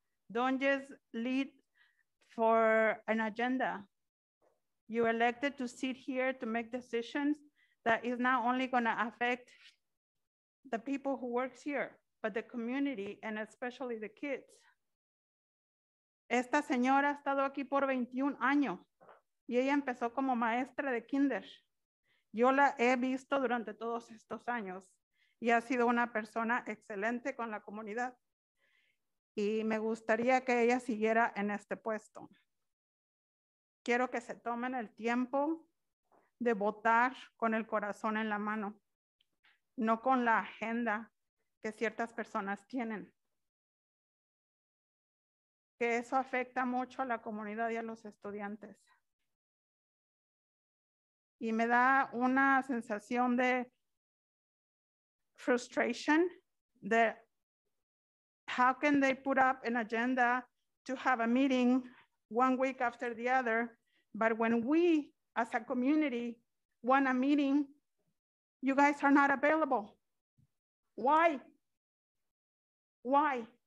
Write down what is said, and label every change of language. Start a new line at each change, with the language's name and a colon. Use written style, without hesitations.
English: Don't just lead for an agenda. You elected to sit here to make decisions that is not only gonna affect the people who works here, but the community and especially the kids.
Spanish: Esta señora ha estado aquí por 21 años y ella empezó como maestra de kinder. Yo la he visto durante todos estos años y ha sido una persona excelente con la comunidad. Y me gustaría que ella siguiera en este puesto. Quiero que se tomen el tiempo de votar con el corazón en la mano, no con la agenda que ciertas personas tienen. Que eso afecta mucho a la comunidad y a los estudiantes. Y me da una sensación de
English: frustration de how can they put up an agenda to have a meeting 1 week after the other, but when we as a community want a meeting, you guys are not available. Why? Why?